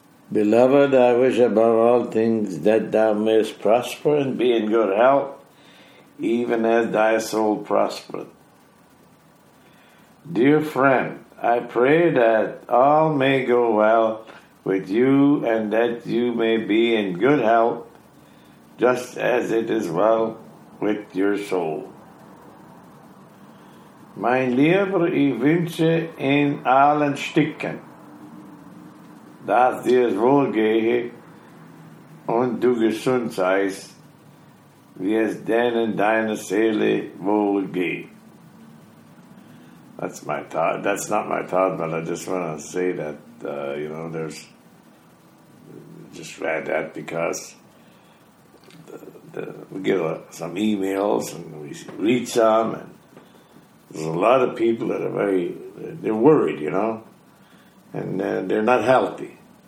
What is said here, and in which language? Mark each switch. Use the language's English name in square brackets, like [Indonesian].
[English] Beloved, I wish above all things that thou mayest prosper and be in good health, even as thy soul prospereth. Dear friend, I pray that all may go well with you and that you may be in good health, just as it is well with your soul. [German] Mein Lieber, ich wünsche in allen Stücken, dass dir es wohl gehe und du gesund seist, wie es denn in deiner Seele wohl geht. [English] That's my thought. That's not my thought, but I just want to say that, you know, there's just read that because we get some emails and we read some and there's a lot of people that are very, they're worried, you know, and they're not healthy.